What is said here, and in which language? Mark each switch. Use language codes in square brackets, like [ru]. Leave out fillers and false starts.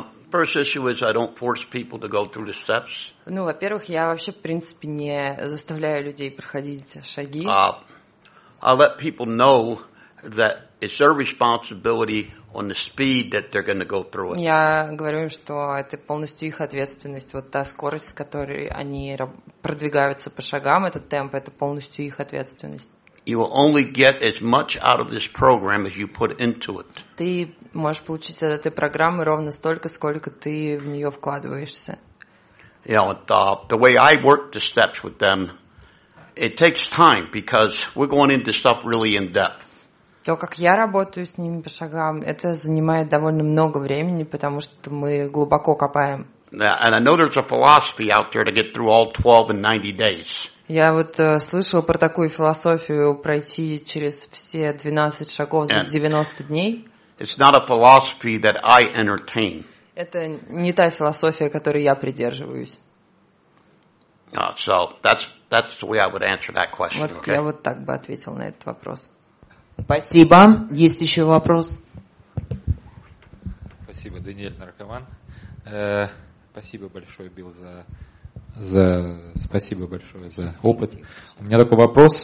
[en] First issue is I don't force people to go through the steps. [ru] Ну, во-первых, я вообще, в принципе, не заставляю людей проходить шаги. [en] I let people know that it's their responsibility on the speed that they're going to go through it. [ru] Я говорю им, что это полностью их ответственность. Вот та скорость, с которой они продвигаются по шагам, этот темп, это полностью их ответственность. [en] You will only get as much out of this program as you put into it. [ru] Ты можешь получить от этой программы ровно столько, сколько ты в нее вкладываешься. [en] You know, the way I work the steps with them, it takes time because we're going into stuff really in depth. [ru] То, как я работаю с ними по шагам, это занимает довольно много времени, потому что мы глубоко копаем. [en] And I know there's a philosophy out there to get through all 12 in 90 days. [ru] Я вот слышал про такую философию пройти через все 12 шагов за 90 дней. [en] It's not a philosophy that I entertain. [ru] Это не та философия, которой я придерживаюсь. [en] So that's the way I would answer that question. [ru] Вот [en] okay? [ru] Я вот так бы ответил на этот вопрос. Спасибо. Есть еще вопрос? Спасибо, Даниэль Наркоман. Спасибо большое, Билл, за спасибо большое за опыт. У меня такой вопрос.